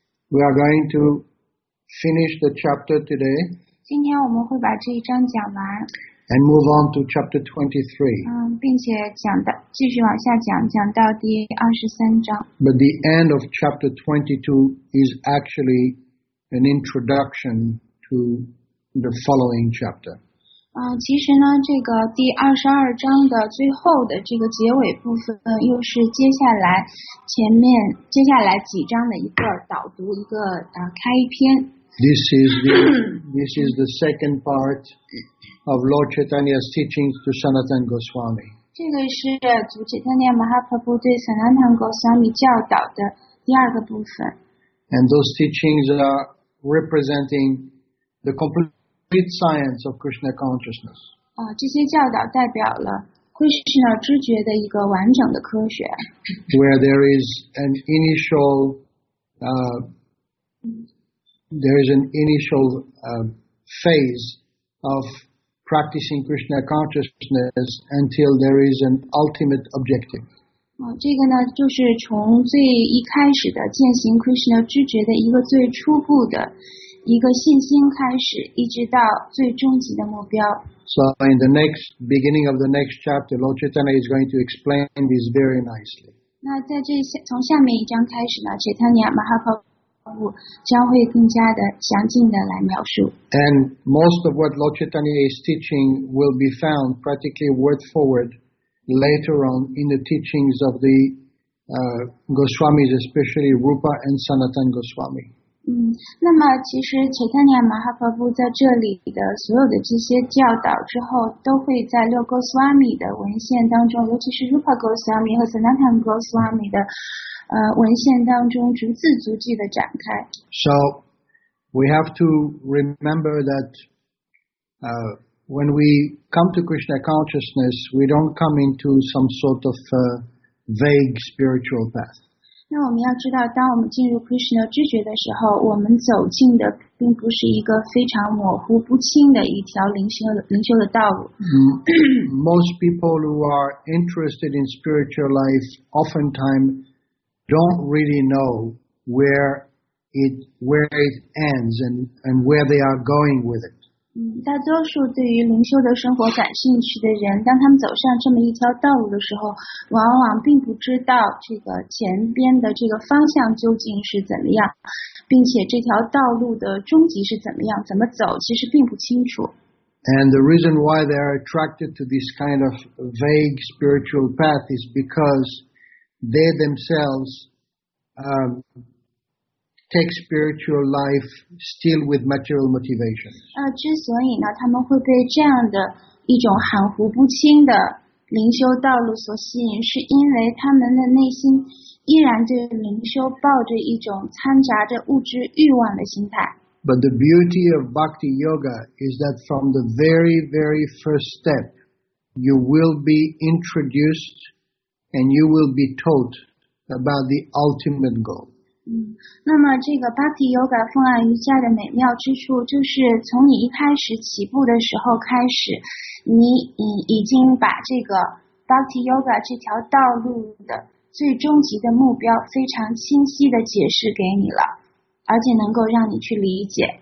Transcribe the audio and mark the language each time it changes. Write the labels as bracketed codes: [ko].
[en] We are going to finish the chapter today. [zh] 今天我们会把这一章讲完。 [en] And move on to chapter 23. [zh] 并且讲到继续往下讲讲到第23章。 [en] But the end of chapter 22 is actually an introduction to the following chapter. [zh] 其实呢这个第22章的最后的这个结尾部分又是接下来前面接下来几章的一个导读一个开篇。 [en] This is the second part of Lord Chaitanya's teachings to Sanatana Goswami. [zh] 这个是祖解丹尼亚马哈帕布对 Sanatana Goswami 教导的第二个部分。 [en] And those teachings are representing the complete science of Krishna consciousness. [zh] 这些教导代表了 Krishna 知觉的一个完整的科学。 [en] Where there is an initial, phase of practicing Krishna consciousness until there is an ultimate objective. [zh] 这个呢，就是从最一开始的践行 Krishna 知觉的一个最初步的。一个信心开始，一直到最终极的目标。 [en] So in the next beginning of the next chapter, Lord Chaitanya is going to explain this very nicely. [zh] 那在这从下面一章开始呢，解贪尼亚马哈帕布将会更加的详尽的来描述。 [en] And most of what Lord Chaitanya is teaching will be found practically word for word later on in the teachings of the Goswamis, especially Rupa and Sanatana Goswami. [zh] 那么其实切特尼亚马哈帕布在这里的所有的这些教导之后都会在六哥斯瓦米的文献当中尤其是 Rupa Goswami 和 Sanatana Goswami 的文献当中逐字逐句的展开。 [en] So, we have to remember that, when we come to Krishna consciousness, we don't come into some sort of vague spiritual path. [zh] 那我们要知道当我们进入 Krishna 知觉的时候我们走进的并不是一个非常模糊不清的一条灵修的道路。 [en] Most people who are interested in spiritual life oftentimes don't really know where it ends and where they are going with it. [zh] 大多数对于灵修的生活感兴趣的人当他们走上这么一条道路的时候往往并不知道这个前边的这个方向究竟是怎么样并且这条道路的终极是怎么样怎么走其实并不清楚。 [en] And the reason why they are attracted to this kind of vague spiritual path is because they themselves, take spiritual life still with material motivation. [zh] 之所以呢，他们会被这样的一种含糊不清的灵修道路所吸引，是因为他们的内心依然对灵修抱着一种掺杂着物质欲望的心态。 [en] But the beauty of Bhakti Yoga is that from the very, very first step, you will be introduced and you will be taught about the ultimate goal. [zh] 那么这个 Bhakti Yoga 风岸瑜伽的美妙之处，就是从你一开始起步的时候开始，你已经把这个 Bhakti Yoga 这条道路的最终极的目标非常清晰的解释给你了，而且能够让你去理解。